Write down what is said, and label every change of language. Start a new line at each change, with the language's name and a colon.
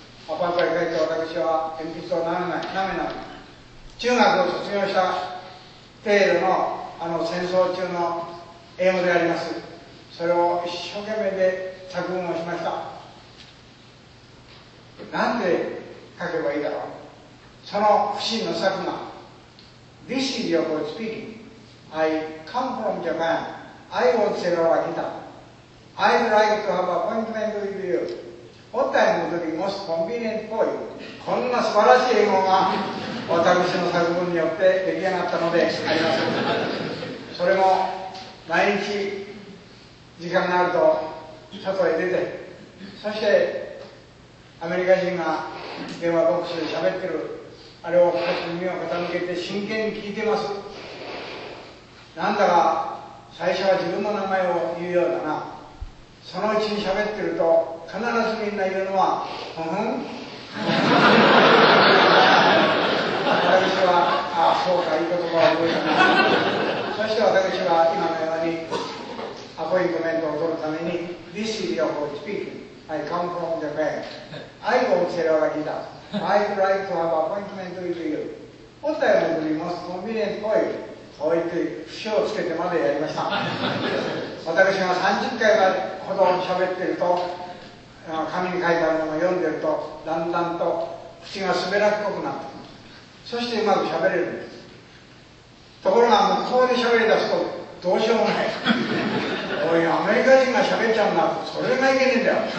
Japanese: アパートへ帰って私は鉛筆を舐め、中学を卒業した程度の、あの戦争中の英語であります。それを一生懸命で作文をしました。なんで書けばいいだろう。その不審の作が、
English: This is your boy speaking. I come from Japan. I want to sell a guitar. I'd like to have an appointment with you. What time would be most convenient for you?
Japanese: こんな素晴らしい英語が私の作文によって出来上がったのであります。それも毎日時間があると外へ出て、そしてアメリカ人が電話ボックスで喋ってるあれを私の耳を傾けて真剣に聞いてます。なんだか最初は自分の名前を言うようだな。そのうちに喋ってると必ずみんな言うのは、ふふん私は、ああそうか、いい言葉を覚えたな。そして私は今のようにアポイントメントを取るために
English: This is your voice speaking. I come from Japan. I go to Seraragita. I would like to have an appointment with you. What I would be most convenient for you?
Japanese: こう言って節をつけてまでやりました。私が30回ほど喋っていると、紙に書いてあるものを読んでいると、だんだんと口が滑らっこくなって、そしてうまく喋れるんです。ところが向こうで喋り出すとどうしようもない。おい、アメリカ人が喋っちゃうな、それがいけねえんだよ。